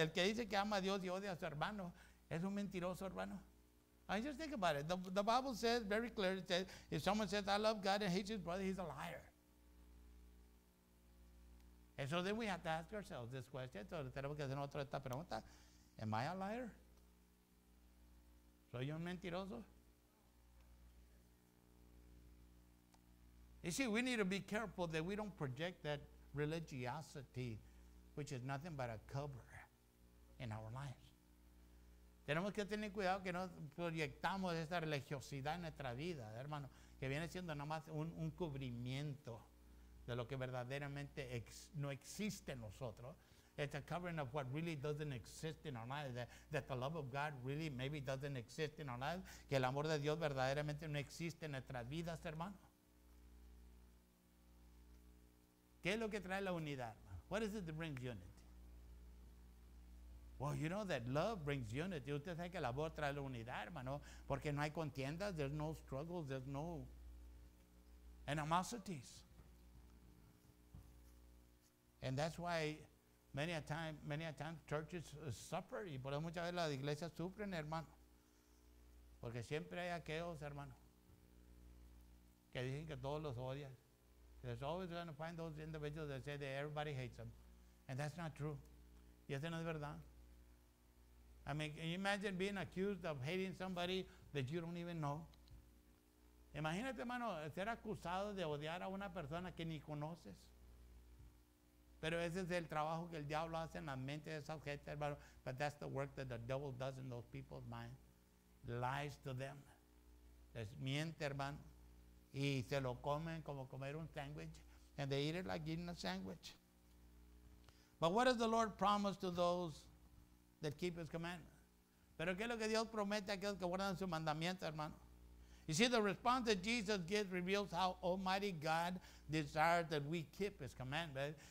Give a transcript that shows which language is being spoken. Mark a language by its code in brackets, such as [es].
[es] El que dice que ama a Dios y odia a su hermano, es un mentiroso, hermano. [en] I just think about it. The Bible says very clearly, it says, if someone says, I love God and hates his brother, he's a liar. And so then we have to ask ourselves this question. [es] Entonces tenemos que hacer otra esta pregunta. [en] Am I a liar? [es] ¿Soy un mentiroso? [en] You see, we need to be careful that we don't project that religiosity, which is nothing but a cover in our lives. [es] Tenemos que tener cuidado que no proyectamos esta religiosidad en nuestra vida, hermano, que viene siendo nada más un cubrimiento de lo que verdaderamente no existe en nosotros. [en] It's a covering of what really doesn't exist in our lives, that the love of God really maybe doesn't exist in our lives, [es] que el amor de Dios verdaderamente no existe en nuestras vidas, hermano. ¿Qué es lo que trae la unidad? [en] What is it that brings unity? Well, you know that love brings unity. [es] Usted sabe que el amor trae la unidad, hermano, porque no hay contiendas, [en] there's no struggles, there's no animosities. And that's why Many a time churches suffer, [es] y por eso muchas veces las iglesias sufren, hermano. Porque siempre hay aquellos, hermano, que dicen que todos los odian. [en] There's always going to find those individuals that say that everybody hates them. And that's not true. [es] Y eso no es verdad. [en] I mean, can you imagine being accused of hating somebody that you don't even know? [es] Imagínate, hermano, ser acusado de odiar a una persona que ni conoces. Pero ese es el trabajo que el diablo hace en la mente de esa gente, hermano. [en] But that's the work that the devil does in those people's minds. Lies to them. [es] Les miente, hermano. Y se lo comen como comer un sandwich. [en] And they eat it like eating a sandwich. But what does the Lord promise to those that keep his commandments? [es] Pero ¿qué es lo que Dios promete a aquellos que guardan su mandamiento, hermano? [en] You see, the response that Jesus gives reveals how Almighty God desires that we keep his commandments.